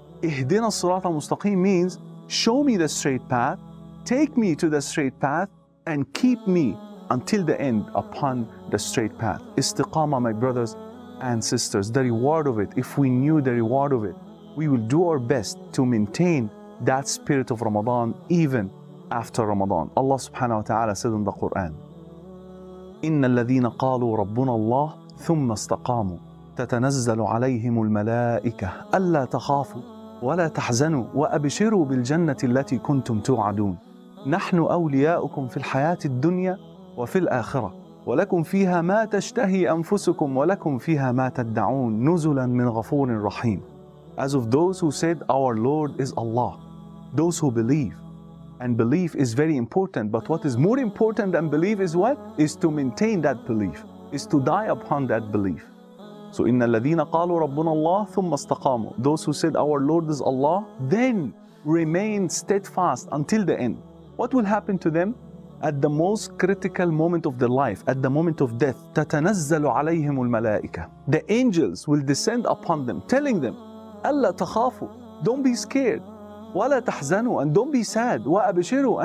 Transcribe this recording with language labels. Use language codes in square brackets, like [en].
[ar] Ihdina al-sirat al-mustaqim [en] means, show me the straight path, take me to the straight path, and keep me until the end upon the straight path. Istiqama, my brothers and sisters, the reward of it, if we knew the reward of it, we will do our best to maintain that spirit of Ramadan even after Ramadan. [ar] Allah subhanahu wa ta'ala [en] said in the Quran, [ar] إِنَّ الَّذِينَ قَالُوا رَبُّنَا اللَّهِ ثُمَّ اسْتَقَامُوا تَتَنَزَّلُ عَلَيْهِمُ الْمَلَائِكَةِ أَلَّا تَخَافُوا وَلَا تَحْزَنُوا وَأَبِشِرُوا بِالْجَنَّةِ الَّتِي كُنْتُمْ تُوعَدُونَ نحن أولياؤكم في الحياة الدنيا وفي الآخرة ولكم فيها ما تشتهي أنفسكم ولكم فيها ما تدعون نزلا من غفور رحيم. [en] As of those who said our Lord is Allah, those who believe, and belief is very important, but what is more important than belief is what? Is to maintain that belief, is to die upon that belief. [ar] So إن الذين قالوا ربنا الله ثم استقاموا. [en] Those who said our Lord is Allah, then remain steadfast until the end. What will happen to them at the most critical moment of their life, at the moment of death? [ar] تَتَنَزَّلُ عَلَيْهِمُ الْمَلَائِكَةِ. [en] The angels will descend upon them, telling them, [ar] أَلَّا تَخَافُوا. [en] Don't be scared. [ar] وَلَا تَحْزَنُوا. [en] And don't be sad. [ar] وَأَبِشِرُوا.